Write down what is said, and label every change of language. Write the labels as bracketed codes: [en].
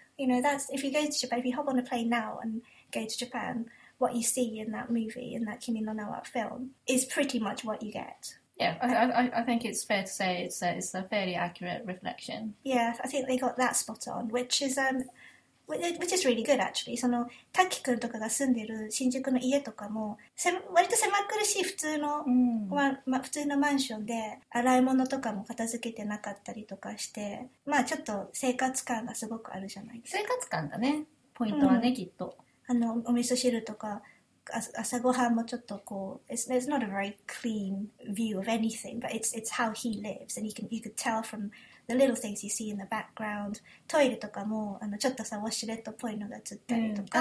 [en] You know, that's, if you go to Japan, if you hop on a plane now and go to Japan,What you see in that movie, in that Kimi no Na film, is pretty much what you get. Yeah, I think it's fair to say it's a fairly accurate reflection. Yeah, I think they got that spot on, which is really good, actually. [ja] その、タキ君とかが住んでる新宿の家とかも、割と狭苦しい普通の、普通のマンションで、洗い物とかも片付けてなかったりとかして、まあちょっと生活感がすごくあるじゃないですか。生活感だね、ポイントはね、きっと。あのお味噌汁とか朝ごはんもちょっとこう [en] it's not a very clean view of anything, but it's how he lives, and you could tell from the little things you see in the background. [ja] トイレとかもあのちょっとさウォシュレットっぽいのがつったりとか、